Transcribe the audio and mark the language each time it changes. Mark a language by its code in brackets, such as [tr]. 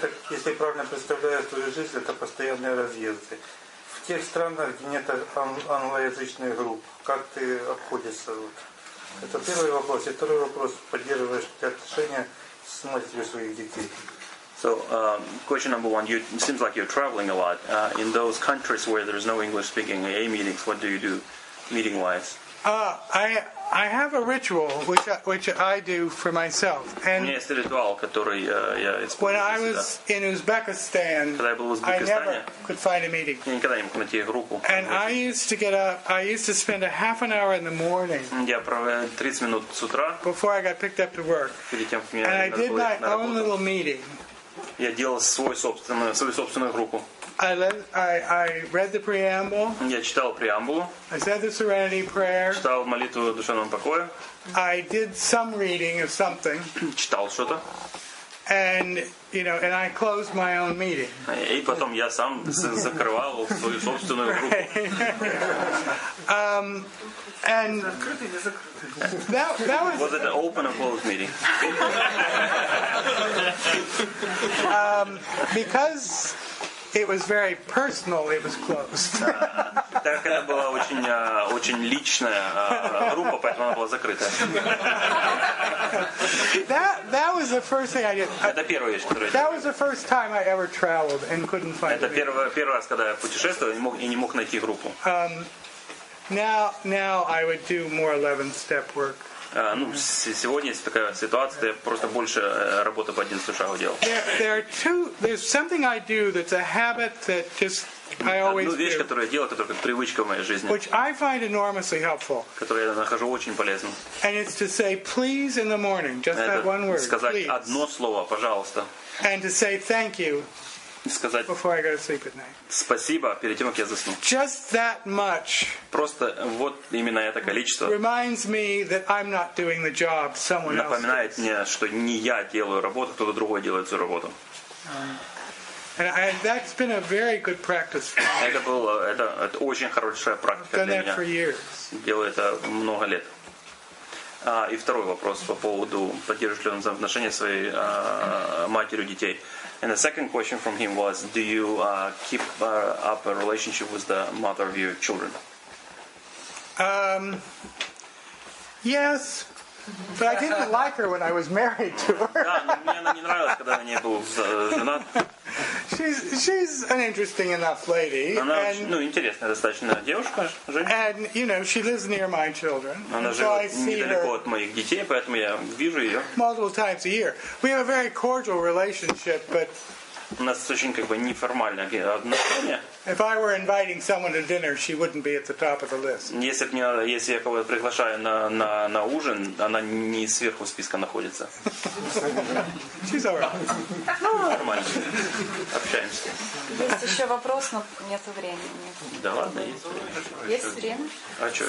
[ru] Если правильно представляю твою жизнь, это постоянные разъезды. В тех странах, где нет англоязычных групп, как ты обходишься? Вот? Это первый вопрос. И второй вопрос. Поддерживаешь ли отношения с матерью своих детей? [en] So, question number one, it seems like you're traveling a lot. In those countries where there's no English-speaking AA meetings, what do, meeting-wise? I have a ritual which I do for myself. And when I was in Uzbekistan, I never could find a meeting. And I used to get up, I used to spend a half an hour in the morning before I got picked up to work. And I did my own little meeting. [ru] Я делал свою собственную группу. [en] I read the preamble. [ru] Я читал преамбулу. [en] I said the Serenity Prayer. [ru] Читал молитву душевного покоя. [en] I did some reading of something. [ru] Читал что-то. [en] And you know, and I closed my own meeting. [ru] И потом я сам закрывал свою собственную группу. [en] Right. And that was it an open or closed meeting? Because it was very personal, it was closed. [ru] Так это была очень личная группа, поэтому она была закрыта. [en] That was the first thing I did. [ru] Это первая вещь, которую я делал. [en] That was the first time I ever traveled and couldn't find. [ru] Это первый раз, когда я путешествовал и не мог найти группу. [en] Now I would do more 11-step work. [ru] Сегодня есть такая ситуация, я просто больше работы по 11 шагу делал. [en] There's something I do that's a habit that just I always do. [ru] Одну вещь, которую я делаю, которая как привычка в моей жизни. [en] Which I find enormously helpful. [ru] Которую я нахожу очень полезным. [en] And it's to say please in the morning, just that one word. [ru] Сказать одно слово, пожалуйста. [en] And to say thank you. [ru] Сказать [en] before I go to sleep at night. [ru] Спасибо перед тем, как я засну. [en] Just that much. [ru] Просто вот именно это количество. [en] Reminds me that I'm not doing the job, someone else. [ru] Напоминает мне, что не я делаю работу, кто-то другой делает эту работу. [en] And that's been a very good practice for me. [ru] Это очень хорошая практика для меня. [en] I've done that for years. [ru] Делаю это много лет. И второй вопрос по поводу поддерживает ли он взаимоотношения своей матерью детей. [en] And the second question from him was, do you keep up a relationship with the mother of your children? Yes, but I didn't like her when I was married to her. she's an interesting enough lady. And you know, she lives near my children. So I see her multiple times a year. We have a very cordial relationship, but [ru] у нас очень как бы неформальное отношение. [en] If I were inviting someone to dinner, she wouldn't be at the top of the list. [ru] Если б не, если я кого-то приглашаю на ужин, она не сверху списка находится. [en] She's all right. [ru] Ну, нормально. Общаемся. Есть еще вопрос, но нет времени. Да ладно, есть время. Есть время? А что?